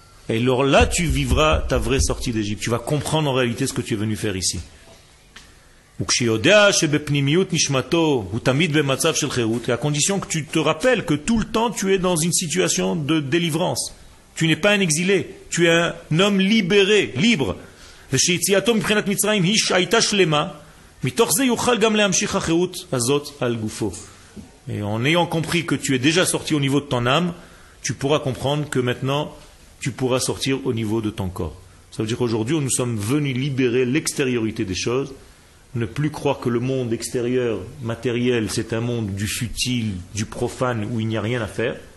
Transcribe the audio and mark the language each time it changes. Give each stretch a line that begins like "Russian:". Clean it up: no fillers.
French: Et alors là, tu vivras ta vraie sortie d'Égypte, tu vas comprendre en réalité ce que tu es venu faire ici.
Hebrew: וכשיודע שבפנימיות נשמתו הוא תמיד במצב של חירות,
French: à condition que tu te rappelles que tout le temps tu es dans une situation de délivrance. Tu n'es pas un exilé, tu es un homme libéré, libre.
Hebrew: ושיציאתו מבחינת מצרים היא שהייתה שלמה, מתוך זה יוכל גם להמשיך החירות הזאת על גופו.
French: Et en ayant compris que tu es déjà sorti au niveau de ton âme, tu pourras comprendre que maintenant tu pourras sortir au niveau de ton corps. Ça veut dire qu'aujourd'hui nous sommes venus libérer l'extériorité des choses, ne plus croire que le monde extérieur, matériel, c'est un monde du futile, du profane, où il n'y a rien à faire.